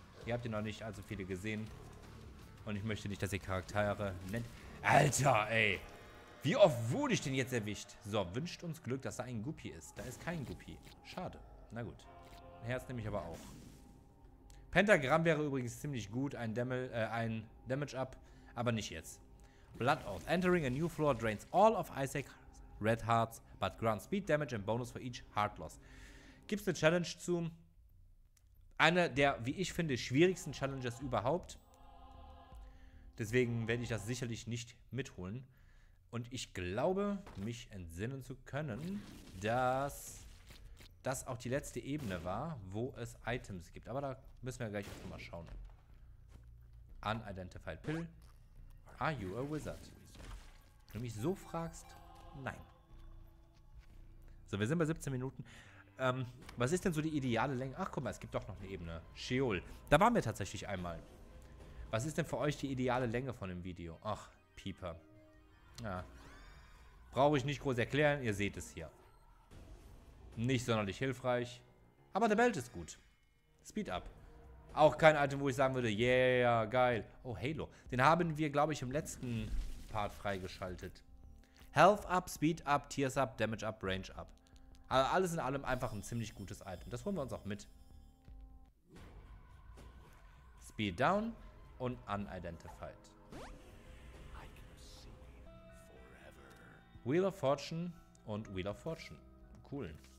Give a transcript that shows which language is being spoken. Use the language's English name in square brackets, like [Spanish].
[German] Ihr habt ihr noch nicht allzu viele gesehen. Und ich möchte nicht, dass ihr Charaktere nennt. Alter, ey! Wie oft wurde ich denn jetzt erwischt? So, wünscht uns Glück, dass da ein Guppi ist. Da ist kein Guppi. Schade. Na gut. Herz nehme ich aber auch. Pentagramm wäre übrigens ziemlich gut. Ein Damage-Up. Aber nicht jetzt. Blood Oath. [English] Entering a new floor drains all of Isaac's red hearts, but grants speed damage and bonus for each heart loss. [German] Gibt's eine Challenge zu? Eine der, wie ich finde, schwierigsten Challenges überhaupt. Deswegen werde ich das sicherlich nicht mitholen. Und ich glaube, mich entsinnen zu können, dass das auch die letzte Ebene war, wo es Items gibt. Aber da müssen wir gleich nochmal schauen. Unidentified Pill. [English] Are you a wizard? [German] Wenn du mich so fragst, nein. So, wir sind bei 17 Minuten. Was ist denn so die ideale Länge? Ach, guck mal, es gibt doch noch eine Ebene. Sheol. Da waren wir tatsächlich einmal. Was ist denn für euch die ideale Länge von dem Video? Ach, Pieper. Ja. Brauche ich nicht groß erklären, ihr seht es hier. Nicht sonderlich hilfreich. Aber der Belt ist gut. Speed up. Auch kein Item, wo ich sagen würde, yeah, geil. Oh, Halo. Den haben wir, glaube ich, im letzten Part freigeschaltet. [English] Health up, Speed up, Tears up, Damage up, Range up. [German] Also alles in allem einfach ein ziemlich gutes Item. Das holen wir uns auch mit. Speed down und unidentified. Wheel of Fortune und Wheel of Fortune. Cool.